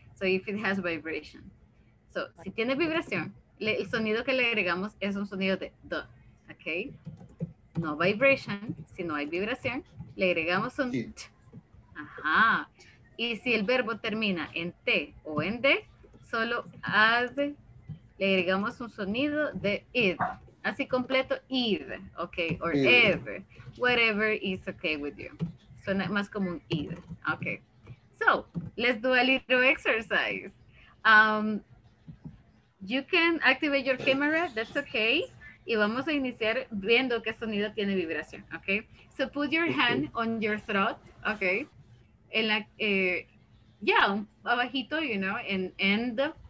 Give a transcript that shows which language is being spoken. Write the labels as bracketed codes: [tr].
[en] So if it has vibration. [es] So, si tiene vibración, el sonido que le agregamos es un sonido de D, ok. [en] No vibration, [es] si no hay vibración, le agregamos un T. Ajá. Y si el verbo termina en T o en D, solo ad, le agregamos un sonido de id. Así completo, [en] id, ok, or ed, whatever is okay with you. [es] suena más como un ir. [en] Okay. So, let's do a little exercise. You can activate your camera, that's okay. [es] Y vamos a iniciar viendo qué sonido tiene vibración, okay? [en] So put your hand on your throat, okay? [es] En la, [en] yeah, abajito, you know, and end.